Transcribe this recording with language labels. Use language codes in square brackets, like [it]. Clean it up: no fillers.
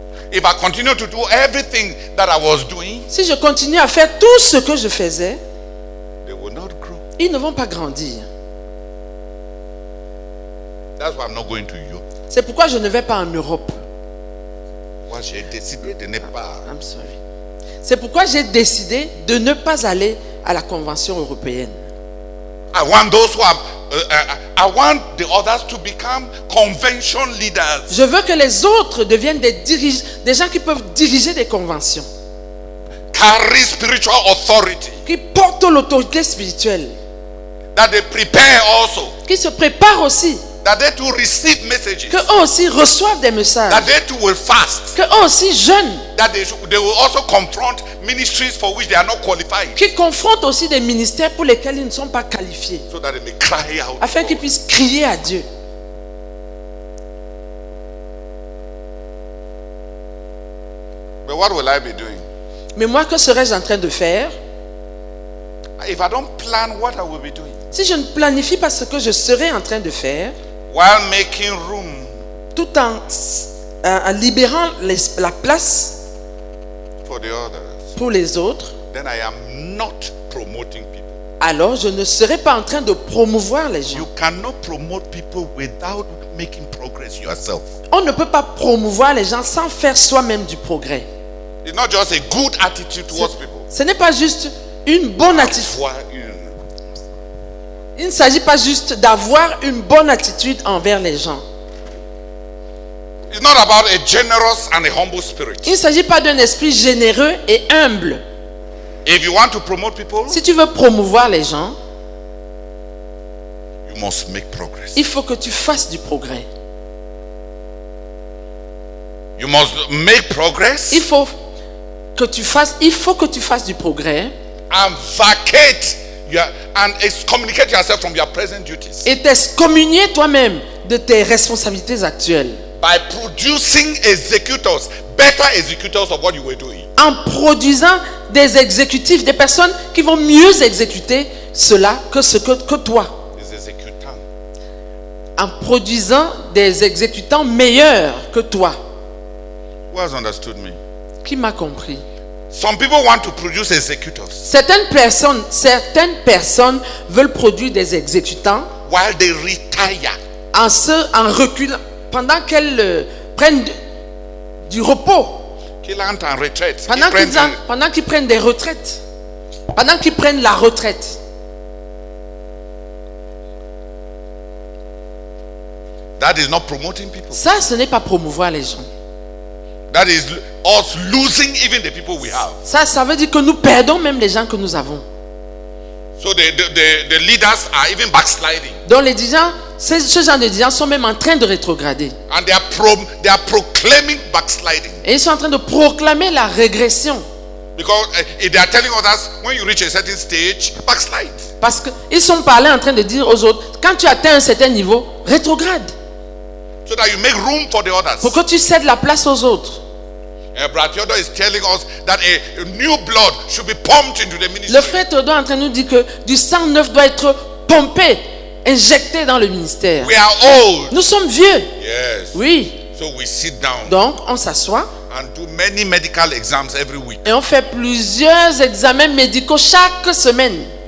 [en] If I continue to do everything that I was doing, [fr] si je continue à faire tout ce que je faisais, [en] they will not grow. [fr] Ils ne vont pas grandir. [en] That's why I'm not going to Europe. [fr] C'est pourquoi je ne vais pas en Europe. Moi, j'ai décidé de ne pas. [en] I'm sorry. [fr] C'est pourquoi j'ai décidé de ne pas aller à la convention européenne. [en] I want those who have. I want the others to become convention leaders. [fr] Je veux que les autres deviennent des gens qui peuvent diriger des conventions. [en] Carry spiritual authority. [fr] Qui portent l'autorité spirituelle. [en] That they prepare also. [fr] Qui se préparent aussi. [en] That they to receive messages. [fr] Que eux aussi reçoivent des messages. [en] That they to will fast. [fr] Que eux aussi jeûnent. [en] That they will also confront ministries for which they are not qualified. [fr] Qui confrontent aussi des ministères pour lesquels ils ne sont pas qualifiés. [en] So that they may cry out. [fr] Afin qu'ils puissent crier à Dieu. [en] But what will I be doing? [fr] Mais moi, que serais-je en train de faire? [en] If I don't plan what I will be doing. [fr] Si je ne planifie pas ce que je serai en train de faire, [en] while making room, [fr] tout en libérant la place [en] for the others, [fr] pour les autres, [en] then I am not promoting people. [fr] Alors je ne serai pas en train de promouvoir les gens. [en] You cannot promote people without making progress yourself. [fr] On ne peut pas promouvoir les gens sans faire soi-même du progrès. [en] It's not just a good attitude towards people. [fr] Ce n'est pas juste une bonne attitude. Il ne s'agit pas juste d'avoir une bonne attitude envers les gens. [en] It's not about a generous and a humble spirit. [fr] Il ne s'agit pas d'un esprit généreux et humble. [en] If you want to promote people, [fr] si tu veux promouvoir les gens, [en] you must make progress. [fr] Il faut que tu fasses du progrès. [en] You must make progress. [fr] Il faut que tu fasses du progrès. [en] And vacate. And excommunicate yourself from your present duties. [fr] Et t'excommunier toi-même de tes responsabilités actuelles. [en] By producing executors, better executors of what you were doing. [fr] En produisant des exécutifs, des personnes qui vont mieux exécuter cela que toi. Des exécutants. En produisant des exécutants meilleurs que toi. [en] Who has understood me? [fr] Qui m'a compris? [en] Some people want to produce executors. [fr] Certaines personnes veulent produire des exécutants. [en] While they retire. [fr] En reculant, pendant qu'elles prennent du repos. Qu'ils entrent en retraite. Pendant qu'ils prennent la retraite. [en] That is not promoting people. [fr] Ça, ce n'est pas promouvoir les gens. [en] That is us losing even the people we have. [fr] Ça veut dire que nous perdons même les gens que nous avons. [en] So the leaders are even backsliding. [fr] Donc les dirigeants, ce genre de dirigeants sont même en train de rétrograder. [en] And they are proclaiming backsliding. [fr] Et ils sont en train de proclamer la régression. [en] Because they are telling others when you reach a certain stage, backslide. [fr] Parce que ils sont parlés en train de dire aux autres, quand tu atteins un certain niveau, rétrograde. [en] So that you make room for the others. [fr] Pour que tu cèdes la place aux autres. [en] Brother Theodore is telling us that a new blood should be pumped into the ministry. [fr] Le frère Theodore est en train de nous dire que du sang neuf doit être pompé, injecté dans le ministère. [en] We are old. [fr] Nous sommes vieux. [en] Yes. [fr] Oui. [en] So we sit down. [fr] Donc on s'assoit. [en] And do many medical exams every week. [fr] Et on fait plusieurs examens médicaux chaque semaine.